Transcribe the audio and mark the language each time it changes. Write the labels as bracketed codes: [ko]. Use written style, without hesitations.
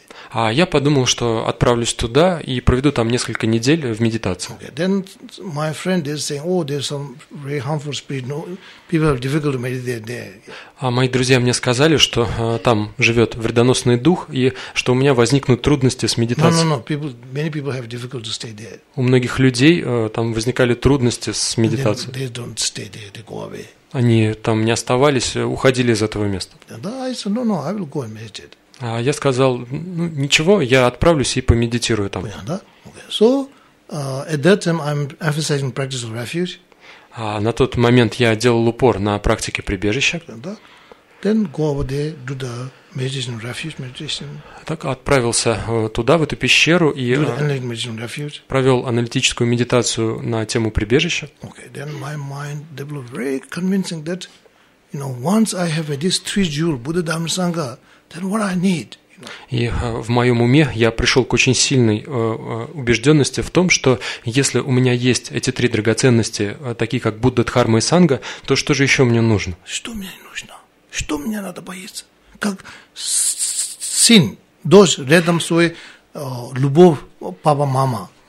[ru] А я подумал, что отправлюсь туда и проведу там несколько недель в медитации. [en] Okay. Then my friend is saying, oh, there's some very harmful spirit. No, people have difficulty meditating there. [ru] А мои друзья мне сказали, что там живет вредоносный дух и что у меня возникнут трудности с медитацией. [en] No. People, many people have difficulty to stay there. [ru] У многих людей там возникали трудности с медитацией. [en] They don't stay there. They go away. [ru] Они там не оставались, уходили из этого места. [en] Yeah, I said, no, I will go and meditate. [ru] А я сказал, ну ничего, я отправлюсь и помедитирую там. [en] So, at that time I'm emphasizing practice of refuge. [ru] А на тот момент я делал упор на практике прибежища. [en] Then go over there, do the meditation refuge, meditation. [ru] Так отправился туда, в эту пещеру, и провел аналитическую медитацию на тему прибежища. [en] Okay, then my mind developed very convincing that, you know, once I have this three jewel, Buddha, Dhamma, Sangha, then what I need, you [ru] И в моем уме я пришел к очень сильной убежденности в том, что если у меня есть эти три драгоценности, такие как Будда, Дхарма и Санга, то что же еще мне нужно? Что мне нужно? Что мне надо бояться? Как сын, дочь рядом с своей любовь, папа, мама.